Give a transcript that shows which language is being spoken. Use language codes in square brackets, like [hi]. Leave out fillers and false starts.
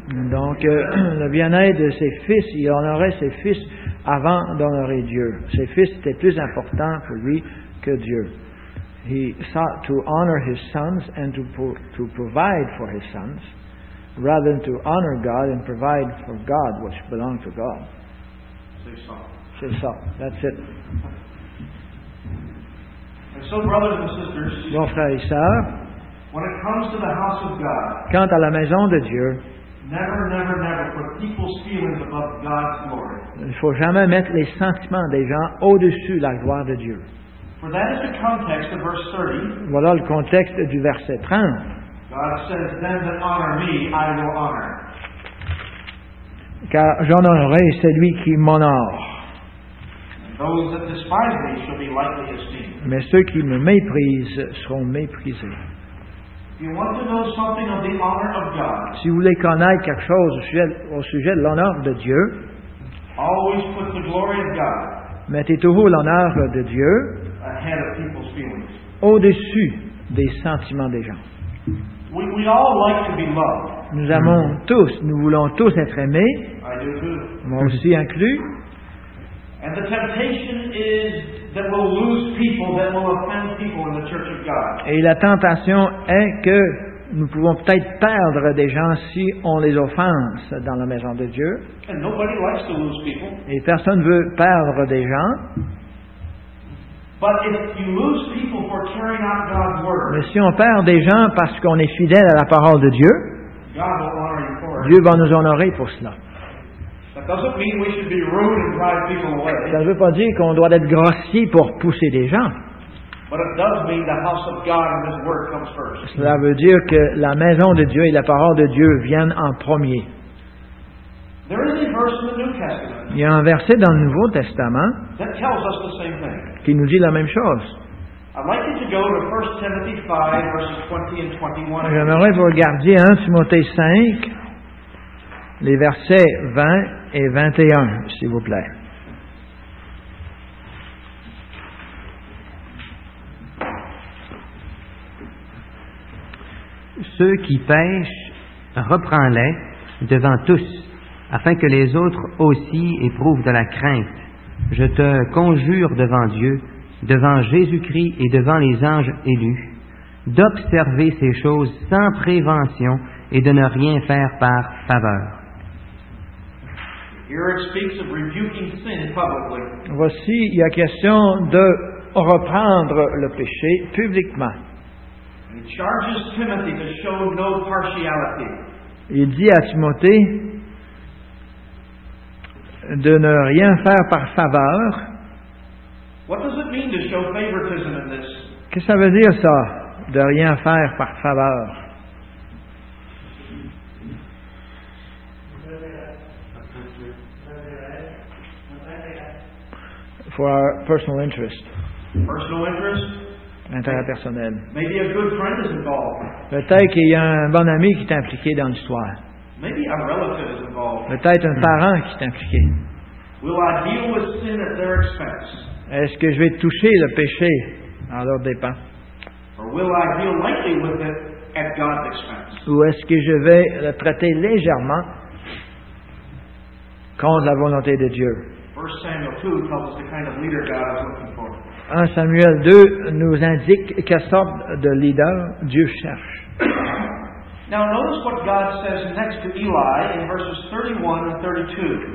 [fr] Donc, le bien-être de ses fils, il honorait ses fils avant d'honorer Dieu. Ses fils étaient plus importants pour lui que Dieu. [en] He sought to honor his sons and to provide for his sons, rather than to honor God and provide for God, which belonged to God. [fr] C'est ça. C'est ça. [en] That's it. And so, brothers and sisters, [fr] bon, frères et sœurs, [en] when it comes to the house of God, [fr] quant à la maison de Dieu, [en] never, never, never put people's feelings above God's glory. [fr] Il ne faut jamais mettre les sentiments des gens au-dessus de la gloire de Dieu. [en] For that is the context of verse 30. [fr] Voilà le contexte du verset 30. [en] God says, "Them that honor me, I will honor." [fr] Car j'honorerai celui qui m'honore. [en] Those that despise me shall be lightly esteemed. [fr] Mais ceux qui me méprisent seront méprisés. [en] If you want to know something of the honor of God, [fr] si vous voulez connaître quelque chose au sujet de l'honneur de Dieu, [en] always put the glory of God. [fr] Mettez toujours l'honneur de Dieu [en] ahead of people's feelings. [fr] Au-dessus des sentiments des gens. [en] We all like to be loved. [fr] Nous aimons tous, nous voulons tous être aimés, moi aussi inclus. [en] And the temptation is that we'll lose people, that we'll offend people in the church of God. [fr] Et la tentation est que nous pouvons peut-être perdre des gens si on les offense dans la maison de Dieu. [en] And nobody likes to lose people. [fr] Et personne ne veut perdre des gens. [en] But if you lose people for carrying out God's word, [fr] mais si on perd des gens parce qu'on est fidèle à la parole de Dieu, [en] God will honor you for it. [fr] Dieu va nous honorer pour cela. [en] That doesn't mean we should be rude and drive people away. [fr] Ça ne veut pas dire qu'on doit être grossier pour pousser des gens. [en] But it does mean the house of God and His word comes first. [fr] Cela veut dire que la maison de Dieu et la parole de Dieu viennent en premier. [en] There is a verse in the New Testament. [fr] Il y a un verset dans le Nouveau Testament [en] that tells us the same thing. [fr] Qui nous dit la même chose. [en] I'd like you to go to 1 Timothy 5, verses 20 and 21. [fr] J'aimerais vous regarder 1 Timothée 5, les versets 20 et 21, s'il vous plaît. Ceux qui pêchent, reprends-les devant tous, afin que les autres aussi éprouvent de la crainte. Je te conjure devant Dieu, devant Jésus-Christ et devant les anges élus, d'observer ces choses sans prévention et de ne rien faire par faveur. [en] Here it speaks of rebuking sin publicly. [fr] Voici, il y a question de reprendre le péché publiquement. [en] He charges Timothy to show no partiality. [fr] Il dit à Timothée, de ne rien faire par faveur. [en] What does it mean to show favoritism in this? [fr] Que ça veut dire ça, de rien faire par faveur? [en] For our personal interest. Personal interest? [fr] L'intérêt personnel. [en] Maybe a good friend is involved. [fr] Peut-être qu'il y a un bon ami qui est impliqué dans l'histoire. [en] Maybe a relative is involved. [fr] Peut-être un parent qui est impliqué. [en] Will I deal with sin at their expense? [fr] Est-ce que je vais toucher le péché à leur dépens? [en] Or will I deal lightly with it at God's expense? [fr] Ou est-ce que je vais le traiter légèrement contre la volonté de Dieu? 1 Samuel 2 nous indique quelle sorte de leader Dieu cherche. [en] Now notice what God says next to Eli in verses 31 and 32.